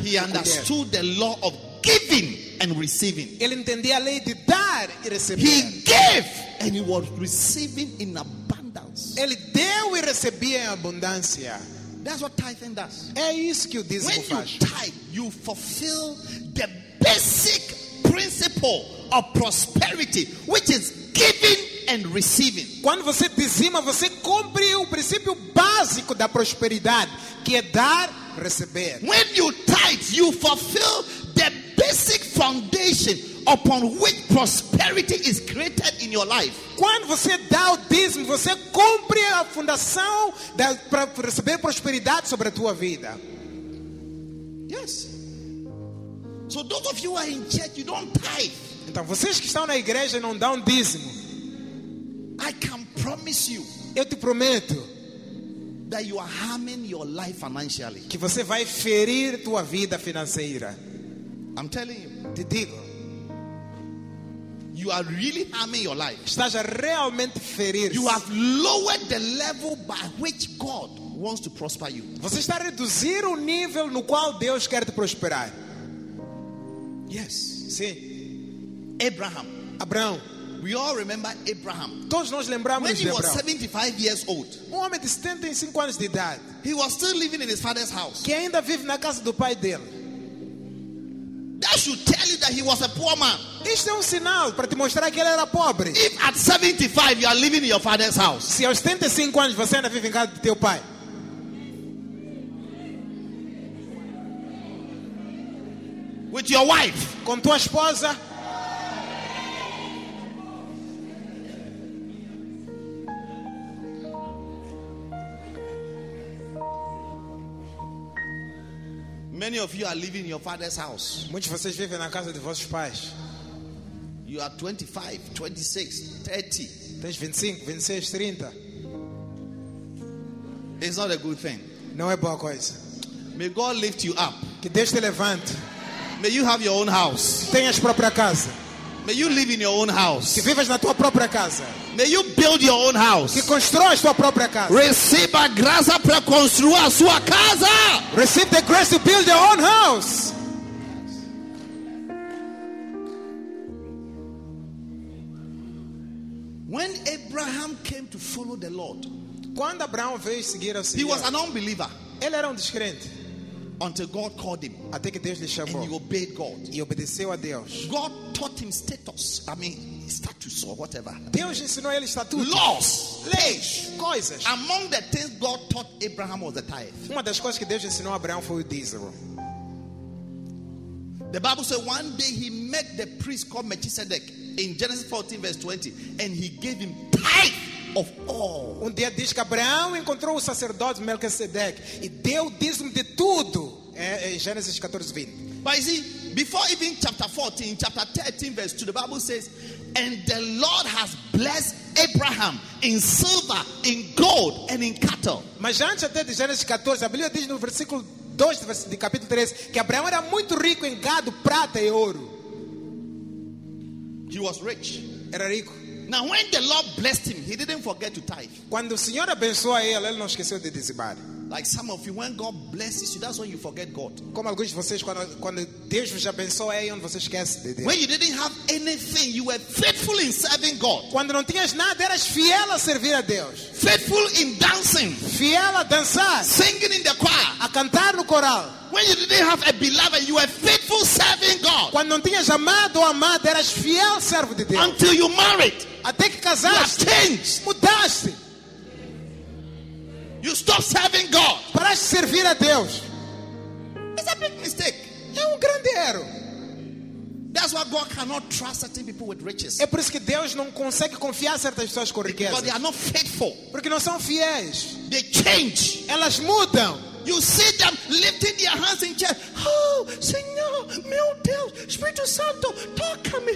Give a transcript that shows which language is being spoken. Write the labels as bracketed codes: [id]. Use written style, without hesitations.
[en] He understood the law of giving and receiving. [pt] Ele entendia a lei de dar e receber. [en] He gave and he was receiving in abundance. [pt] Ele deu e recebia em abundância. [en] That's what tithing does. [pt] É isso que o dízimo faz. [en] When you tithe, you fulfill the basic principle of prosperity, which is giving and receiving. [pt] Quando você dizima, você cumpre o princípio básico da prosperidade, que é dar, receber. [en] When you tithe, you fulfill the basic foundation upon which prosperity is created in your life. [pt] Quando você dá o dízimo, você cumpre a fundação para receber prosperidade sobre a tua vida. [en] Yes. So those of you who are in church, you don't tithe. [pt] Então vocês que estão na igreja não dão dízimo. [en] I can promise you. [pt] Eu te prometo [en] that you are harming your life financially. [pt] Que você vai ferir tua vida financeira. [en] I'm telling you. [pt] Te digo. [en] You are really harming your life. [pt] Estás a realmente ferir. [en] You have lowered the level by which God wants to prosper you. [pt] Você está a reduzir o nível no qual Deus quer te prosperar. [en] Yes. [pt] Sim. [en] Abraão. We all remember Abraham. [pt] Todos nós lembramos [en] when he [pt] de Abraão. [en] Was 75 years old. [pt] Um homem de 75 anos de idade. [en] He was still living in his father's house. [pt] Que ainda vive na casa do pai dele. [en] That should tell you that he was a poor man. [pt] Isto é sinal para te mostrar que ele era pobre. [en] If at 75 you are living in your father's house. [pt] Se aos 75 anos você ainda vive em casa do teu pai. [en] With your wife. [pt] Com tua esposa. [en] Many of you are living in your father's house. [pt] Muitos de vocês vivem na casa de vossos pais. [en] You are 25, 26, 30. [pt] Tens 25, 26, 30. [en] It's not a good thing. [pt] Não é boa coisa. [en] May God lift you up. [pt] Que Deus te levante. [en] May you have your own house. [pt] Tenhas própria casa. [en] May you live in your own house. [pt] Que vivas na tua própria casa. [en] May you build your own house. [pt] Que constróis tua própria casa. [en] Receive [pt] a graça para construir a sua casa. [en] Receive the grace to build your own house. When Abraham came to follow the Lord, [pt] quando Abraão veio seguir ao Senhor, [en] he was an unbeliever. [pt] Ele era descrente. [en] Until God called him, [pt] até que Deus lhe chamou, [en] and he obeyed God. [pt] E obedeceu a Deus. [en] God taught him status. I mean, status or whatever. [pt] Deus ensinou ele status. [en] Laws, [pt] leis, coisas. [en] Among the things God taught Abraham was the tithe. [pt] Uma das coisas que Deus ensinou Abraão foi o dízimo. [en] The Bible says one day he met the priest called Melchizedek in Genesis 14 verse 20, and he gave him tithe of all. [pt] Um dia diz que Abraão encontrou o sacerdote Melchizedek e deu o dízimo de tudo. Genesis 14, 20. [en] But you see, before even chapter 14, chapter 13, verse 2, the Bible says, and the Lord has blessed Abraham in silver, in gold, and in cattle. [pt] Mas antes até de Genesis 14, a Bíblia diz no versículo 2 de capítulo 3 que Abraão era muito rico em gado, prata e ouro. [en] He was rich. [pt] Era rico. [en] Now when the Lord blessed him, he didn't forget to tithe. [pt] Quando o Senhor abençoa ele, ele não esqueceu de dizimar. [en] Like some of you, when God blesses you, that's when you forget God. [pt] Como alguns de vocês, quando Deus vos abençoa, é onde você esquece de Deus. [en] When you didn't have anything, you were faithful in serving God. [pt] Quando não tinhas nada, eras fiel a servir a Deus. [en] Faithful in dancing. [pt] Fiel a dançar. [en] Singing in the choir. [pt] A cantar no coral. [en] When you didn't have a beloved, you were faithful serving God. [pt] Quando não tinhas amado ou amada, eras fiel servo de Deus. [en] Until you married. [pt] Até que casaste. [en] You changed. [pt] Mudaste. [en] You stop serving God. [pt] Para servir a Deus. [en] It's a big mistake. [pt] É grande erro. [en] That's why God cannot trust certain people with riches. [pt] É por isso que Deus não consegue confiar certas pessoas com riquezas. [en] Because they are not faithful. [pt] Porque não são fiéis. [en] They change. [pt] Elas mudam. [en] You see them lifting their hands in church. [pt] Oh, Senhor, meu Deus, Espírito Santo, toca-me.